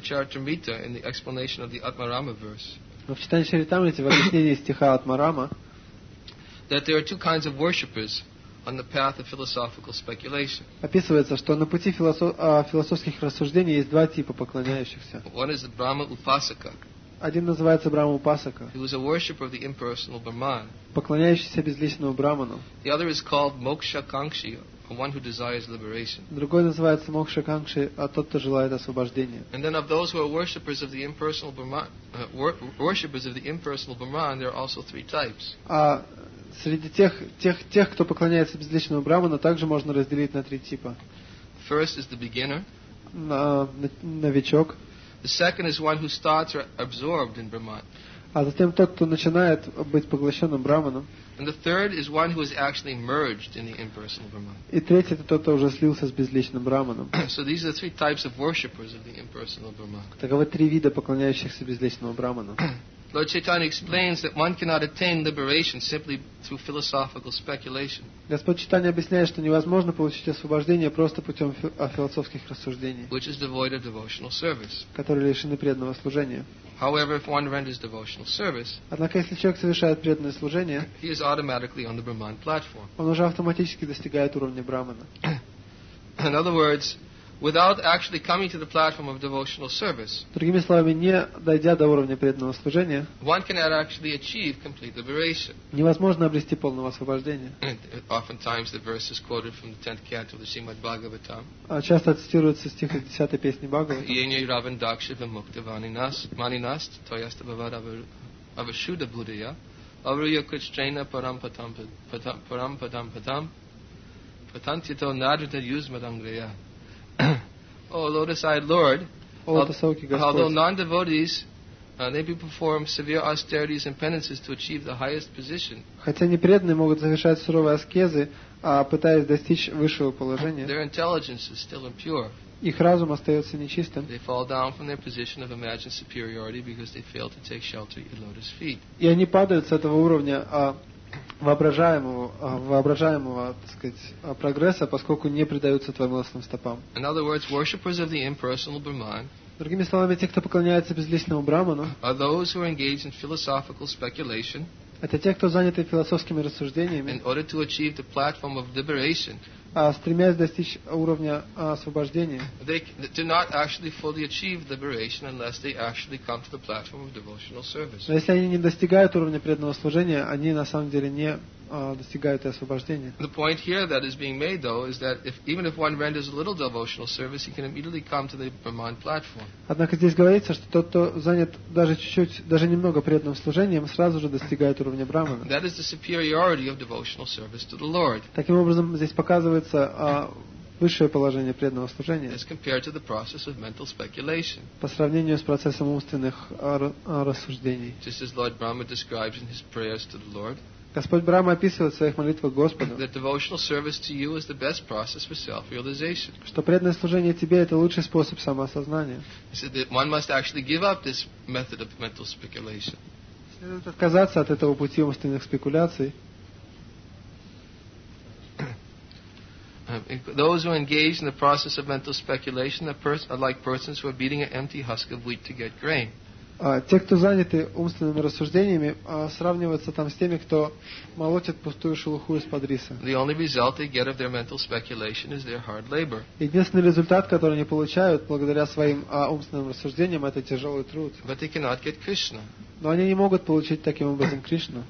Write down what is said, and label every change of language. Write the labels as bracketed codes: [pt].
[ru] Чаритамрите, в объяснении стиха Атмарама, описывается, что на пути философских рассуждений есть два типа поклоняющихся. [en] One is the Brahma Upasaka. [ru] Один называется Брахма Упасака. [en] He was a worshipper of the impersonal Brahman. [ru] Поклоняющийся безличному Брахману. [en] The other is called Moksha Kangshi, one who desires liberation. [ru] Другой называется Мокша Кангши, а тот, кто желает освобождения. [en] And then of those who are worshippers of the impersonal Brahman, worshippers of the impersonal Brahman, there are also three types. [ru] Среди тех, кто поклоняется безличному Брахману, также можно разделить на три типа. [en] First is the beginner. [ru] Новичок. [en] The second is one who starts or absorbed in Brahman. [ru] А затем тот, кто начинает быть поглощенным Брахманом. [en] And the third is one who is actually merged in the impersonal Brahman. [ru] И третий — это тот, кто уже слился с безличным Брахманом. [en] So these are the three types of worshippers of the impersonal Brahman. [ru] Таковы три вида поклоняющихся безличному Брахману. [en] Lord Chaitanya explains that one cannot attain liberation simply through philosophical speculation. [ru] Господь Чайтанья объясняет, что невозможно получить освобождение просто путем философских рассуждений, [en] which is devoid of devotional service. [ru] Которые лишены преданного служения. [en] However, if one renders devotional service, [ru] однако если человек совершает преданное служение, [en] he is automatically on the Brahman platform. [ru] Он уже автоматически достигает уровня Брахмана. [en] In other words, without actually coming to the platform of devotional service, [ru] другими словами, не дойдя до уровня преданного служения, [en] one cannot actually achieve complete liberation. [ru] Невозможно обрести полного освобождения. [en] Oftentimes the verse is quoted from the 10th canto of the Srimad Bhagavatam. [ru] Часто цитируется стих из 10-й песни Бхагаватам. [sa] Yena ravan daksha vimukta vaninas maninas toyasta bhavada avashuddha buddhaya avruya kuchchena param patam patam patantito nadrita yuzmadangreya. [en] O lotus-eyed Lord, although non-devotees may be perform severe austerities and penances to achieve the highest position, [ru] хотя непреданные могут совершать суровые аскезы, пытаясь достичь высшего положения, [en] their intelligence is still impure. [ru] Их разум остается нечистым. [en] They fall down from their position of imagined superiority because they fail to take shelter at lotus feet. [ru] И они падают с этого уровня воображаемого, так сказать, прогресса, поскольку не предаются твоим стопам. [en] In other words, worshippers of the impersonal Brahman, [ru] другими словами, те, кто поклоняется безличному Брахману, [en] are those who are engaged in philosophical speculation, [ru] это те, кто заняты философскими рассуждениями, [en] in order to achieve the platform of liberation, [ru] стремясь достичь уровня освобождения, [en] they do not actually fully achieve liberation unless they actually come to the platform of devotional service. [ru] Но если они не достигают уровня преданного служения, они на самом деле не достигают и освобождения. [en] The point here that is being made, though, is that if even if one renders a little devotional service, he can immediately come to the Brahman platform. [ru] Однако здесь говорится, что тот, кто занят даже чуть-чуть, даже немного преданным служением, сразу же достигает уровня Брахмана. [en] That is the superiority of devotional service to the Lord. [ru] Таким образом, здесь показывается высшее положение преданного служения. [en] As compared to the process of mental speculation. [ru] По сравнению с процессом умственных рассуждений. [en] Just as Lord Brahma describes in his prayers to the Lord. [ru] Господь Брахма описывает в своих молитвах Господу, [en] that devotional service to you is the best process for self-realization. [ru] Что преданное служение тебе — это лучший способ самоосознания. [en] He said that one must actually give up this method of mental speculation. [ru] Следует отказаться от этого пути умственных спекуляций. [en] Those who engage in the process of mental speculation are like persons who are beating an empty husk of wheat to get grain. [ru] Те, кто заняты умственными рассуждениями, сравниваются там с теми, кто молотит пустую шелуху из-под риса. [en] The only result they get of their mental speculation is their hard labor. [ru] Единственный результат, который они получают благодаря своим умственным рассуждениям, это тяжелый труд. [en] But they cannot get Krishna. [ru] Но они не могут получить таким образом Кришну.